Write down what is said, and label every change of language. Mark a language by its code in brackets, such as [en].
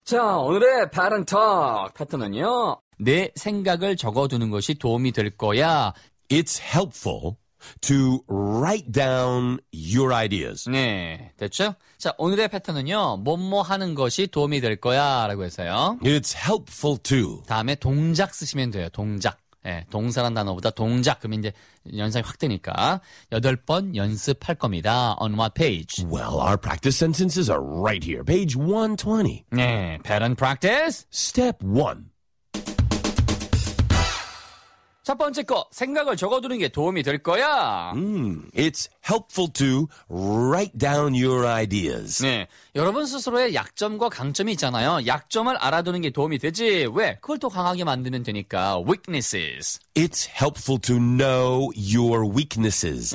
[ko] 자, 오늘의 바른톡 패턴은요. 내 생각을 적어두는 것이 도움이 될 거야. [en] It's helpful to write down your ideas. [ko] 네, 됐죠? 자, 오늘의 패턴은요. 뭐뭐 하는 것이 도움이 될 거야 라고 했어요. [en] It's helpful to. [ko] 다음에 동작 쓰시면 돼요. 동작. 예, 동사란 단어보다 동작. 그럼 이제 연상이 확 되니까. 여덟 번 연습할 겁니다. [en] On what page? Well, our practice sentences are right here. Page 120. 네, pattern practice. Step 1. [ko] 첫 번째 거, 생각을 적어두는 게 도움이 될 거야. [en] It's helpful to write down your ideas. [ko] 네, 여러분 스스로의 약점과 강점이 있잖아요. 약점을 알아두는 게 도움이 되지. 왜? 그걸 또 강하게 만드는 되니까. [en] Weaknesses. It's helpful to know your weaknesses.